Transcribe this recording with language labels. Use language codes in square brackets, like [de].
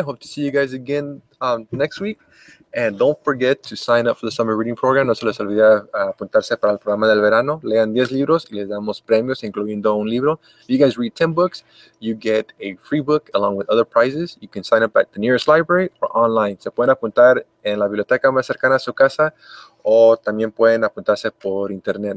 [en] Hope to see you guys again next week. And don't forget to sign up for the summer reading program. [es] No se les olvide apuntarse para el programa del verano. Lean 10 libros y les damos premios, incluyendo un libro. [en] If you guys read 10 books, you get a free book along with other prizes. You can sign up at the nearest library or online. [es] Se pueden apuntar en la biblioteca más cercana a su casa o también pueden apuntarse por internet.